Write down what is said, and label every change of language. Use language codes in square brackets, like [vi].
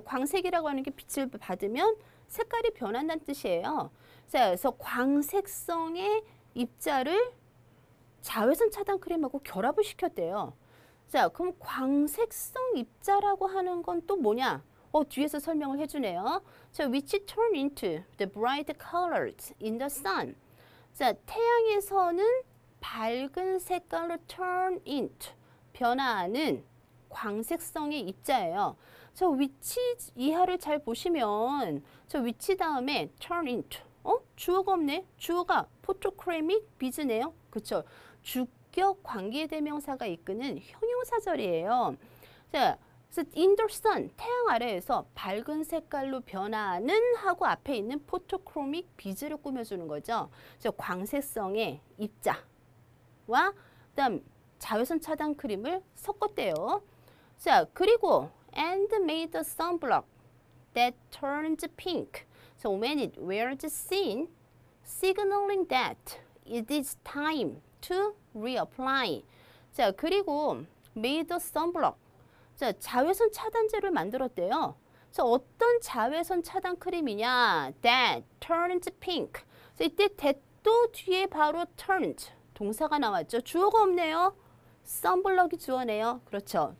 [ko] 광색이라고 하는 게 빛을 받으면 색깔이 변한다는 뜻이에요. 자, 그래서 광색성의 입자를 자외선 차단 크림하고 결합을 시켰대요. 자, 그럼 광색성 입자라고 하는 건 또 뭐냐? 뒤에서 설명을 해주네요. [en] 자, which turn into the bright colors in the sun. [ko] 자, 태양에서는 밝은 색깔로 turn into, 변화하는 광색성의 입자예요. 저 which 이하를 잘 보시면 저 which 다음에 turn into, 주어가 없네. 주어가 photochromic beads네요. 그렇죠. 주격 관계대명사가 이끄는 형용사절이에요. 자, [en] so in the sun, [ko] 태양 아래에서 밝은 색깔로 변화하는 하고 앞에 있는 photochromic beads를 꾸며주는 거죠. 그래서 광색성의 입자와 그다음 자외선 차단 크림을 섞었대요. 자, 그리고 [en] and made a sunblock that turns pink. So when it wears thin, signaling that it is time to reapply. [ko] 자, 그리고 [en] made a sunblock. [ko] 자, 자외선 차단제를 만들었대요. 자, 어떤 자외선 차단 크림이냐? [en] That turns pink. [ko] 자, 이때 that도 뒤에 바로 turns 동사가 나왔죠. 주어가 없네요. Sunblock이 주어네요. 그렇죠.